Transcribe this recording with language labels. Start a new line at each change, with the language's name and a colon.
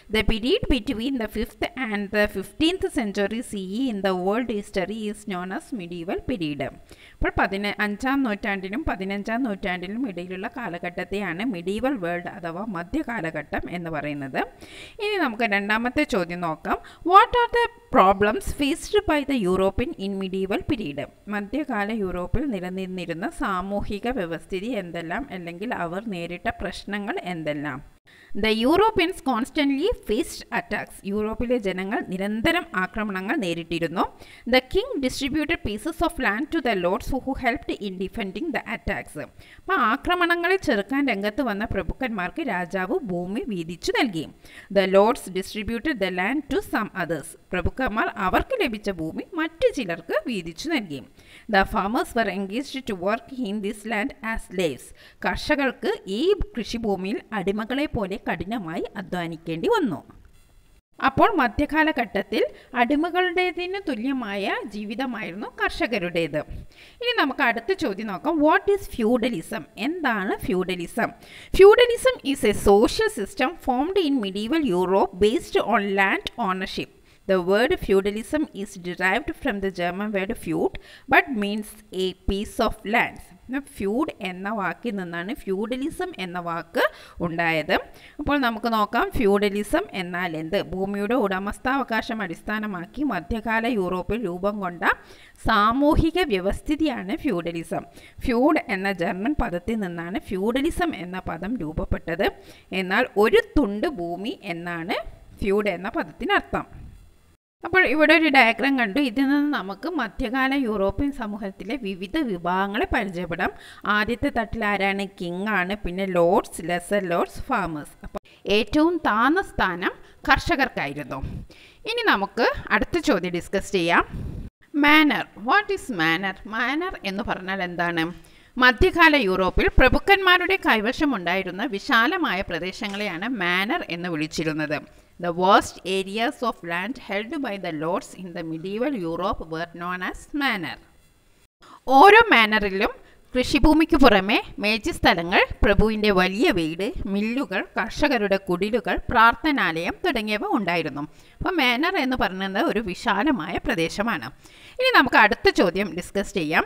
English: The period between the 5th and 15th century CE in the world history is known as medieval period.
Malayalam: അപ്പോൾ 5-ാം നൂറ്റാണ്ടിനും 15-ാം നൂറ്റാണ്ടിനും ഇടയിലുള്ള കാലഘട്ടത്തെയാണ് medieval world അഥവാ മധ്യകാലഘട്ടം എന്ന് പറയുന്നത്. ഇനി നമുക്ക് 2-ാമത്തെ ചോദ്യം നോക്കാം.
English: What are the problems faced by the European in medieval period?
Malayalam: മധ്യകാല യൂറോപ്പിൽ നിലനിന്നിരുന്ന സാമൂഹിക വ്യവസ്ഥിതി എന്തെല്ലാം, അല്ലെങ്കിൽ അവർ നേരിട്ട പ്രശ്നങ്ങൾ എന്തെല്ലാം?
English: The Europeans constantly faced attacks.
Malayalam: യൂറോപ്പിലെ ജനങ്ങൾ നിരന്തരം ആക്രമണങ്ങൾ നേരിട്ടിരുന്നു.
English: The king distributed pieces of land to the lords who helped in defending the attacks.
Malayalam: അപ്പോൾ ആക്രമണങ്ങളെ ചെറുക്കാൻ രംഗത്ത് വന്ന പ്രഭുക്കന്മാർക്ക് രാജാവ് ഭൂമി വീതിച്ചു നൽകി.
English: The lords distributed the land to some others.
Malayalam: പ്രഭുക്കന്മാർ അവർക്ക് ലഭിച്ച ഭൂമി മറ്റു ചിലർക്ക് വീതിച്ചു നൽകി.
English: The farmers were engaged to work in this land as slaves.
Malayalam: കർഷകർക്ക് ഈ കൃഷിഭൂമിയിൽ അടിമകളെ പോലെ കഠിനമായി അധ്വാനിക്കേണ്ടി വന്നു. അപ്പോൾ മധ്യകാലഘട്ടത്തിൽ അടിമകളുടേതിന് തുല്യമായ ജീവിതമായിരുന്നു കർഷകരുടേത്. ഇനി നമുക്ക് അടുത്ത ചോദ്യം നോക്കാം.
English: What is feudalism?
Malayalam: എന്താണ് feudalism?
English: Feudalism is a social system formed in medieval Europe based on land ownership. The word feudalism is derived from the German word feud but means a piece of land.
Malayalam: ഫ്യൂഡ് എന്ന വാക്കിൽ നിന്നാണ് feudalism എന്ന വാക്ക് ഉണ്ടായത്. അപ്പോൾ നമുക്ക് നോക്കാം, feudalism എന്നാൽ എന്ത്? ഭൂമിയുടെ ഉടമസ്ഥാവകാശം അടിസ്ഥാനമാക്കി മധ്യകാല യൂറോപ്പിൽ രൂപം കൊണ്ട സാമൂഹിക വ്യവസ്ഥിതിയാണ് ഫ്യൂഡലിസം. ഫ്യൂഡ് എന്ന ജർമ്മൻ പദത്തിൽ നിന്നാണ് ഫ്യൂഡലിസം എന്ന പദം രൂപപ്പെട്ടത്. എന്നാൽ ഒരു തുണ്ട് ഭൂമി എന്നാണ് ഫ്യൂഡ് എന്ന പദത്തിനർത്ഥം. അപ്പോൾ ഇവിടെ ഒരു ഡയഗ്രാം കണ്ടു. ഇതിൽ നിന്ന് നമുക്ക് മധ്യകാല യൂറോപ്യൻ സമൂഹത്തിലെ വിവിധ വിഭാഗങ്ങളെ പരിചയപ്പെടാം. ആദ്യത്തെ തട്ടിൽ ആരാണ്? കിങ് ആണ്. പിന്നെ ലോർഡ്സ്, ലെസർ ലോർഡ്സ്, ഫാമേഴ്സ്. അപ്പോൾ ഏറ്റവും താഴ്ന്ന സ്ഥാനം കർഷകർക്കായിരുന്നു. ഇനി നമുക്ക് അടുത്ത ചോദ്യം ഡിസ്കസ് ചെയ്യാം. Manor.
English: What is manor?
Malayalam: Manor എന്ന് പറഞ്ഞാൽ എന്താണ്? മധ്യകാല യൂറോപ്പിൽ പ്രഭുക്കന്മാരുടെ കൈവശമുണ്ടായിരുന്ന വിശാലമായ പ്രദേശങ്ങളെയാണ് മാനർ എന്ന് വിളിച്ചിരുന്നത്.
English: The vast areas of land held by the lords in the medieval Europe were known as manor.
Malayalam: ഓരോ മാനറിലും കൃഷിഭൂമിക്ക് പുറമെ മേച്ചിസ്ഥലങ്ങൾ, പ്രഭുവിൻ്റെ വലിയ വീട്, മില്ലുകൾ, കർഷകരുടെ കുടിലുകൾ, പ്രാർത്ഥനാലയം തുടങ്ങിയവ ഉണ്ടായിരുന്നു. അപ്പോൾ മാനർ എന്ന് പറയുന്നത് ഒരു വിശാലമായ പ്രദേശമാണ്. ഇനി നമുക്ക് അടുത്ത ചോദ്യം ഡിസ്കസ് ചെയ്യാം.